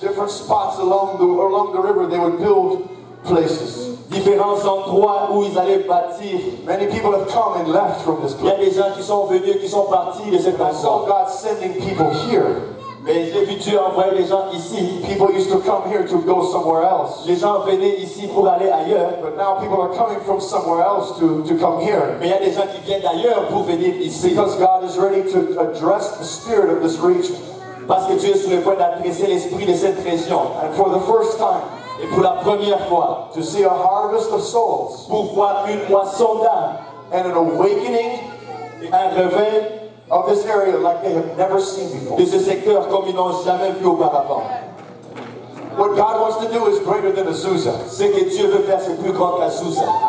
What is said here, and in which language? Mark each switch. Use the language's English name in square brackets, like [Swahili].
[English] Different spots along the river, they would build places. [French] Différents endroits où ils allaient bâtir. [English] Many people have come and left from this place. [French] Il y a des gens qui sont venus, qui sont partis de cette place. [English] I saw God sending people here. [French] Mais j'ai vu Dieu envoyer les gens ici. [English] People used to come here to go somewhere else. [French] Les gens venaient ici pour aller ailleurs. [English] But now people are coming from somewhere else to come here. [French] Mais il y a des gens qui viennent d'ailleurs pour venir ici. [English] Because God is ready to address the spirit of this region. [French] Parce que Dieu est sur le point d'adresser l'esprit de cette région. [English] And for the first time, [French] et pour la première fois, [English] to see a harvest of souls, [French] pour voir une moisson d'âme, [English] and an awakening, [French] et un réveil, [English] of this area like they have never seen before. [French] De ce secteur comme ils n'ont jamais vu auparavant. [English] What God wants to do is greater than Azusa. [French] Ce que Dieu veut faire, c'est plus grand qu'Azusa.